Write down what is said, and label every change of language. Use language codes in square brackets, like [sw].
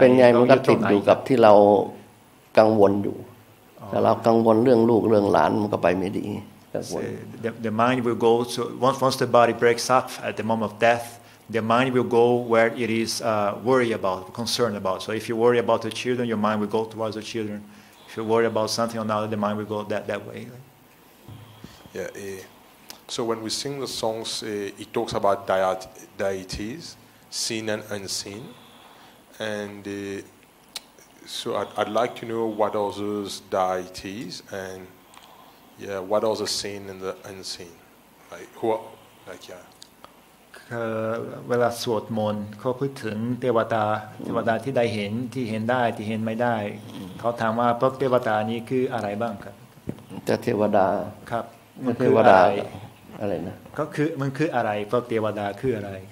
[th] เป็นไงมันก็ติดอยู่กับที่เรากังวลอยู่ถ้าเรากังวลเรื่องลูกเรื่องหลานมันก็ไปไม่ดี [en] The mind will go to once the body breaks up at the moment of death, the mind will go where it is worry about, concerned about. So if you worry about the children, your mind will go towards the children. If you worry about something or another, the mind will go that way. Yeah. So when we sing the songs, it talks about deities, seen and unseen, andSo I'd like to know what are those deities and yeah, what are the seen and the unseen? Like who are, like yeah. [th] เวลาสวดมนต์เขาพูดถึงเทวดาเทวดาที่ได้เห็นที่เห็นได้ที่เห็นไม่ได้เขาถามว่าพวกเทวดานี้คืออะไรบ้างครับ แต่เทวดา ครับ มันคืออะไรอะไรนะ ก็คือมันคืออะไรพวกเทวดาคืออะไร